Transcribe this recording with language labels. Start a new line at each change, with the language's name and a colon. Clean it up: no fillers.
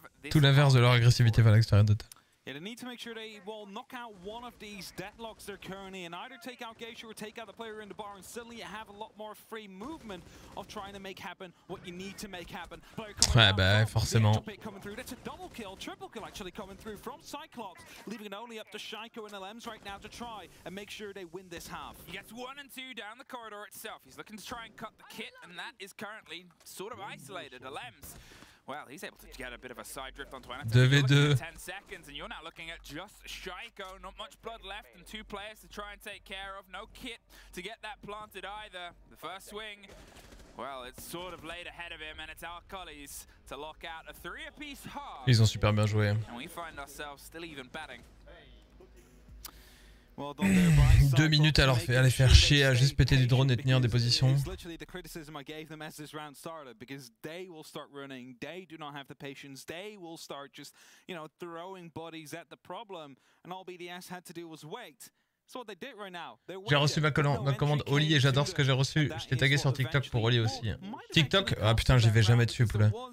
French: Tout l'inverse de leur agressivité vers l'extérieur de terre.
English: Yeah, they need to make sure they will knock out one of these deadlocks they're currently in. Either take out Geisha or take out the player in the bar, and suddenly you have a lot more free movement of trying to make happen what you need to make happen.
French: Ouais, bah, forcément.
English: That's a double kill, triple kill actually coming through from Cyclops, leaving it only up to Shaiko and LMs right now to try and make sure they win this half. He gets one and two down the corridor itself. He's looking to try and cut the kit, and that is currently sort of isolated. LMs. Well, he's able to get a bit of a side drift onto Anatoly. 2v2. 10 seconds, and you're now looking at just Shaiko. Not much blood left, and two players to try and take care of. No kit to get that planted either. The first swing, well, it's sort of laid ahead of him, and it's our collies to lock out a three apiece half.
French: Ils ont super bien joué.
English: And we find ourselves still even batting.
French: Well, deux minutes à leur aller faire chier, à juste péter du drone et tenir des positions. C'est
English: literally the criticism I gave them as this round started, because they will start running, they do not have the patience, they will start just, you know, throwing bodies at the problem, and all BDS had to do was wait. That's what they did right now.
French: J'ai reçu ma commande Oli et j'adore ce que j'ai reçu. Je t'ai tagué sur TikTok pour Oli aussi. TikTok? Ah oh, putain, j'y vais jamais dessus, poulet.